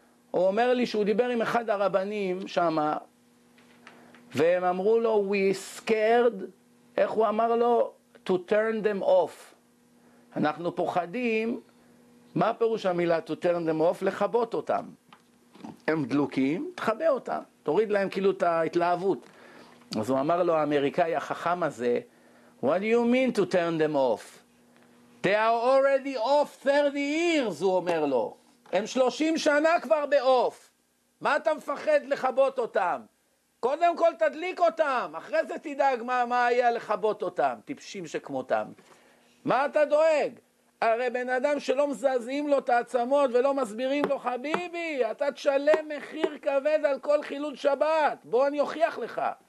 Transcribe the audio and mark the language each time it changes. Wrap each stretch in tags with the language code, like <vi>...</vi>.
<he>הוא אומר לי שהוא דיבר עם אחד הרבנים שם, והם אמרו לו,</he> <en>we scared,</en> <he>איך הוא אמר לו,</he> <en>to turn them off.</en> <he>אנחנו פוחדים, מה פירוש המילה</he> <en>to turn them off?</en> <he>לחבות אותם. הם דלוקים, תחבא אותם, תוריד להם כאילו את ההתלהבות. אז הוא אמר לו, האמריקאי החכם הזה,</he> <en>what do you mean to turn them off? They are already off 30 years,</en> <he>הוא אומר לו. הם 30 שנה כבר באוף. מה אתה מפחד לחבות אותם? קודם כל תדליק אותם, אחרי זה תדאג מה היה לחבות אותם, טיפשים שכמותם. מה אתה דואג? הרי בן אדם שלא מזזים לו את העצמות ולא מסבירים לו, חביבי, אתה תשלם מחיר כבד על כל חילול שבת, בוא אני אוכיח לך.</he>